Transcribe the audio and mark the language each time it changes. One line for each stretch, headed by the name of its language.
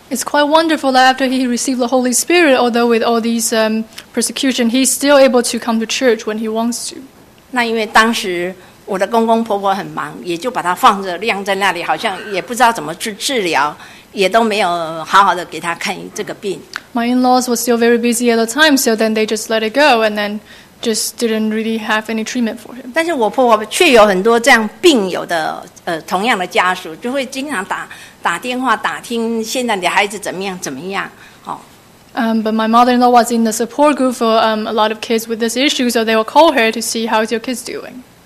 English: It's quite wonderful that after he received the Holy Spirit, although with all these persecution, he's still able to come to church when he wants to.
Chinese: 那因为当时 我的公公婆婆很忙，也就把它放着晾在那里，好像也不知道怎么治疗，也都没有好好的给他看这个病。
English: My in-laws were still very busy at the time, so then they just let it go, and then just didn't really have any treatment for him.
Chinese: 但是我婆婆却有很多这样病友的同样的家属，就会经常打电话打听现在的孩子怎么样怎么样。
English: But my mother-in-law was in the support group for a lot of kids with this issue, so they would call her to see how is your kids doing.